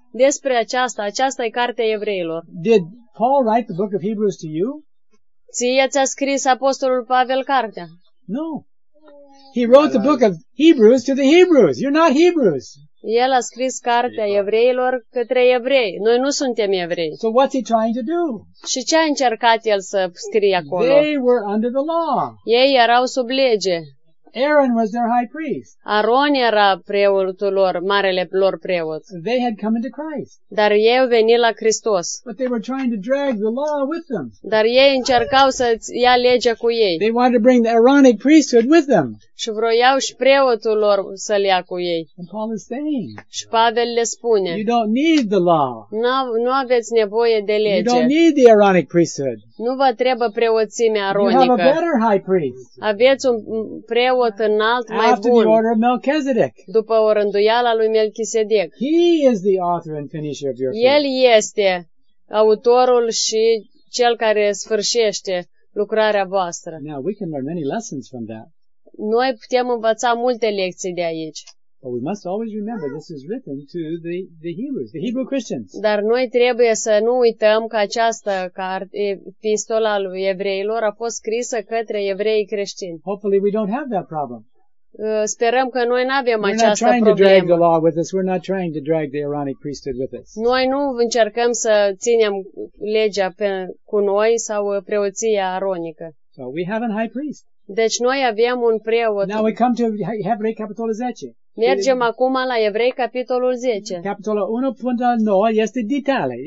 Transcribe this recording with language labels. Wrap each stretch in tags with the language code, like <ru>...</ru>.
<ro>Despre aceasta, aceasta e cartea evreilor.</ro> <en>Did Paul write the book of Hebrews to you?</en> <ro>Ție ți-a scris apostolul Pavel cartea?</ro> <en>No. He wrote the book of Hebrews to the Hebrews. You're not Hebrews.</en> <ro>El a scris cartea evreilor către evrei. Noi nu suntem evrei.</ro> <en>So what's he trying to do?</en> <ro>Și ce a încercat el să scrie acolo?</ro> <en>They were under the law.</en> <ro>Ei erau sub lege.</ro> <en>Aaron was their high priest.</en> <ro>Aaron era preotul lor, marele lor preot.</ro> <en>They had come into Christ.</en> <ro>Dar ei au venit la Hristos.</ro> <en>But they were trying to drag the law with them.</en> <ro>Dar ei încercau să ia legea cu ei.</ro> <en>They wanted to bring the Aaronic priesthood with them.</en> <ro>Și vroiau și preotul lor să le ia cu ei.</ro> <en>And Paul is saying.</en> <ro>Și Pavel le spune.</ro> <en>You don't need the law.</en> <ro>Nu aveți nevoie de lege.</ro> <en>You don't need the Aaronic priesthood.</en> <ro>Nu vă trebuie preoțimea aronică.</ro> <en>You have a better high priest.</en> <ro>Aveți un preot înalt, mai</ro> <en>after</en> <ro>bun,</ro> <en>the order of Melchizedek.</en> <ro>După o rânduială lui Melchisedec.</ro> <en>He is the author and finisher of your faith.</en> <ro>El este autorul și cel care sfârșește lucrarea voastră.</ro> <en>Now, we can learn many lessons from that.</en> <ro>Noi putem învăța multe lecții de aici.</ro> <en>But we must always remember this is written to the Hebrews, the Hebrew Christians.</en> <ro>Dar noi trebuie să nu uităm că această epistola lui evreilor a fost scrisă către evrei creștini.</ro> <en>Hopefully we don't have that problem.</en> <ro>Sperăm că noi n-avem</ro> <en>we're</en> <ro>această problemă.</ro> <en>We're not trying to drag the law with us. We're not trying to drag the Aaronic priesthood with us.</en> <ro>Noi nu încercăm să ținem legea cu noi sau preoția aronică.</ro> <en>So we have a high priest.</en> <ro>Deci noi avem un preot.</ro> <en>Now we come to</en> <ro>Hebrei capitolul</ro> <en>10.</en> <ro>Mergem acum la Evrei capitolul 10. Capitolul 1 până 9 este detalii.</ro>